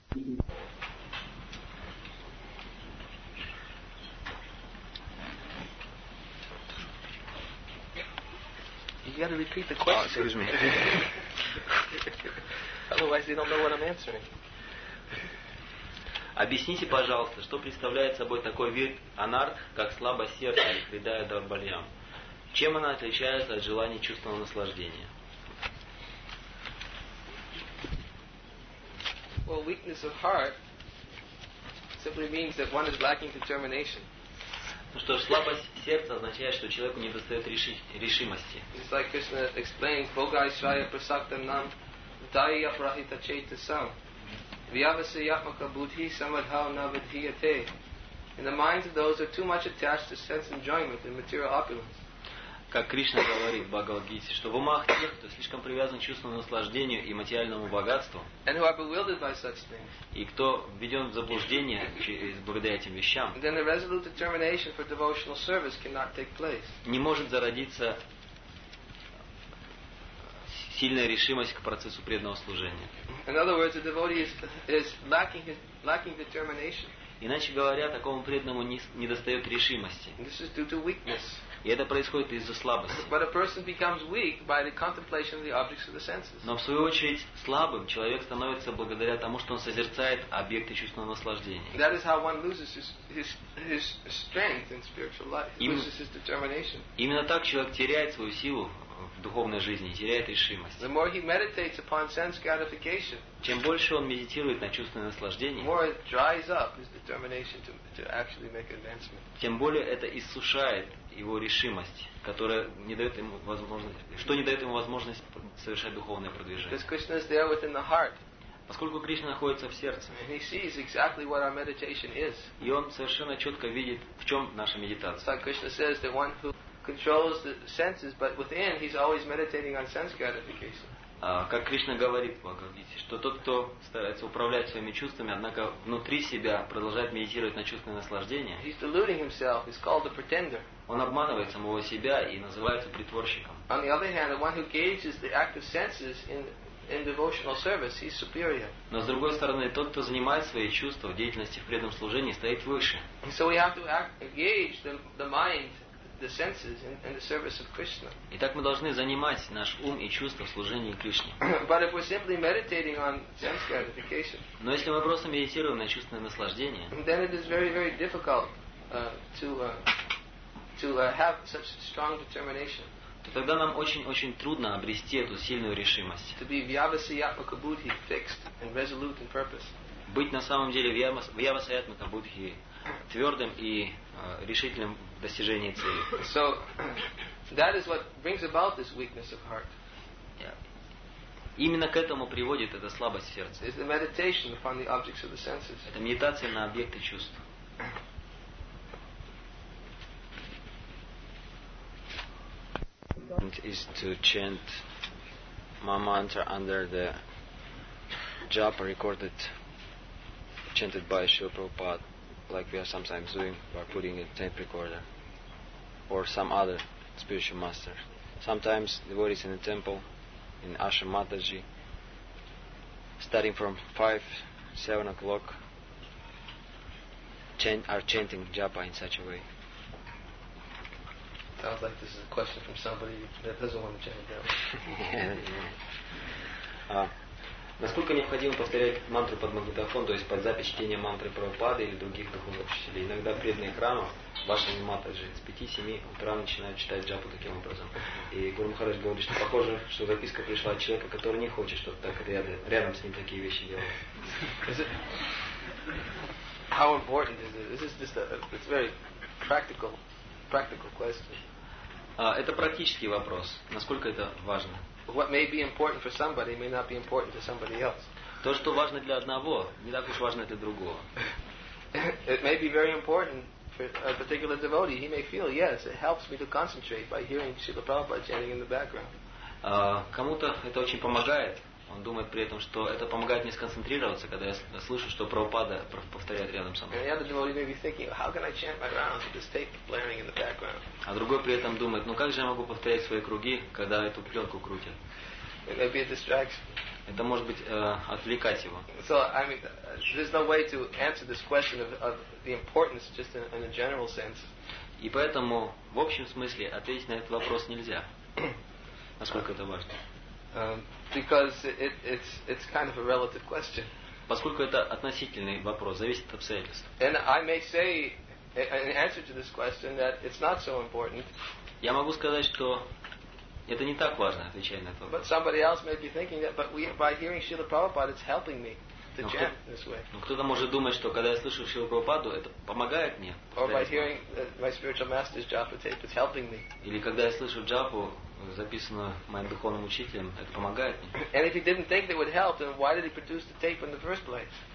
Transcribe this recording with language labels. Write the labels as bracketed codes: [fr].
[en] You gotta repeat the question. Oh, excuse me. Otherwise they don't know what I'm answering. [ru] Объясните, пожалуйста, что представляет собой такой вид анарт, как слабость сердца или Хридая Дарбальям? Чем она отличается от желания чувственного наслаждения? [en] Well, weakness of heart simply means that one is lacking determination. [ru] Ну что ж, слабость сердца означает, что человеку не достает решимости. [en] It's like Krishna explains, [sa] Bogai Shraya Prasaktam Nam Daya Prahita Chaitasam. [en] In the minds of those who are too much attached to sense enjoyment and material opulence. [ru] Как Кришна говорит в Бхагавад-гите, что в умах тех, кто слишком привязан к чувственному наслаждению и материальному богатству, [en] and who are bewildered by such things, [ru] и кто введен в заблуждение благодаря этим вещам, [en] then the resolute determination for devotional service cannot take place. [ru] Не может зародиться сильная решимость к процессу преданного служения. [en] In other words, the devotee is lacking determination. [ru] Иначе говоря, такому преданному не достает решимости. [en] This is due to weakness. [ru] И это происходит из-за слабости. [en] But a person becomes weak by the contemplation of the objects of the senses. [ru] Но в свою очередь слабым человек становится благодаря тому, что он созерцает объекты чувственного наслаждения. [en] That is how one loses his strength in spiritual life. Loses his determination. [ru] Именно так человек теряет свою силу в духовной жизни и теряет решимость. [en] The more he meditates upon sense gratification, [ru] чем больше он медитирует на чувственное наслаждение, [en] the more it dries up his determination to actually make advancement. [ru] Тем более это иссушает его решимость, которая не дает ему возможность, что не дает ему возможность совершать духовное продвижение. [en] Because Krishna is there within the heart. [ru] Поскольку Кришна находится в сердце, [en] and he sees exactly what our meditation is. [ru] И он совершенно четко видит, в чем наша медитация. [en] So Krishna says that one who controls the senses, but within he's always meditating on sense gratification. [ru] Как Кришна говорит, видите, что тот, кто старается управлять своими чувствами, однако внутри себя продолжает медитировать на чувственное наслаждение. [en] He's deluding himself. He's called a pretender. [ru] Он обманывает самого себя и называется притворщиком. [en] On the other hand, the one who gauges the active senses in devotional service, he's superior. [ru] Но с другой стороны, тот, кто занимает свои чувства в деятельности в преданном служении, стоит выше. [en] So we have to gauge the mind the senses in the service of Krishna. [ru] Итак, мы должны занимать наш ум и чувства в служении Кришне. [en] But if we're simply meditating on sense gratification, [ru] но если мы просто медитируем на чувственное наслаждение, [en] then it is very, very difficult to have such strong determination. [ru] То тогда нам очень-очень трудно обрести эту сильную решимость. [en] To be vyavasayatmakabuddhi, fixed and resolute in purpose. [ru] Быть на самом деле вьявасаятмакабуддхи твердым и решительным в достижении цели. [en] So that is what brings about this weakness of heart. [ru] Именно к этому приводит эта слабость сердца. [en] It's the meditation upon the objects of the senses. [ru] Это медитация на объекты чувств. [en] Is to chant Ma mantra under the japa recorded chanted by Srila Prabhupada, like we are sometimes doing by putting a tape recorder or some other spiritual master. Sometimes devotees in the temple in Ashram Mataji, starting from 5-7 o'clock, are chanting japa in such a way. Sounds like this is a question from somebody that doesn't want to chant it down. [ru] Насколько необходимо повторять мантру под магнитофон, то есть под запись чтения мантры Прабхупады или других духовных учителей? Иногда преданные храмов, ваши матаджи, с 5-7 утра начинают читать джапу таким образом. И Гуру Махарадж говорит, что похоже, что записка пришла от человека, который не хочет, чтобы так рядом с ним такие вещи делать. [en] How important is this? This is just it's very practical question. [ru] Это практический вопрос. Насколько это важно? [en] What may be important for somebody may not be important to somebody else. [ru] То, что важно для одного, не так уж важно для другого. [en] It may be very important for a particular devotee. He may feel, yes, it helps me to concentrate by hearing Srila Prabhupada chanting in the background. [ru] Кому-то это очень помогает. Он думает при этом, что это помогает мне сконцентрироваться, когда я слышу, что Прабхупада повторяет рядом со мной. А другой при этом думает, ну как же я могу повторять свои круги, когда эту пленку крутят? Это может быть отвлекать его. [en] So, I mean, there's no way to answer this question of the importance just in a general sense. [ru] И поэтому, в общем смысле, ответить на этот вопрос нельзя. Насколько это важно? [en] Because it's kind of a relative question. [ru] Поскольку это относительный вопрос, зависит от обстоятельств. [en] And I may say in answer to this question that it's not so important. [ru] Я могу сказать, что это не так важно, отвечая на этот вопрос. [en] But somebody else may be thinking that, but by hearing Srila Prabhupada, it's helping me to chant this way. [ru] Но кто-то может думать, что когда я слышу Шрилу Прабхупаду, это помогает мне. [en] Or by hearing my spiritual master's japa tape, it's helping me. [ru] Или когда я слышу джапу, записано моим духовным учителем, это помогает мне. [en] And if he didn't think it would help, then why did he produce the tape in the first place?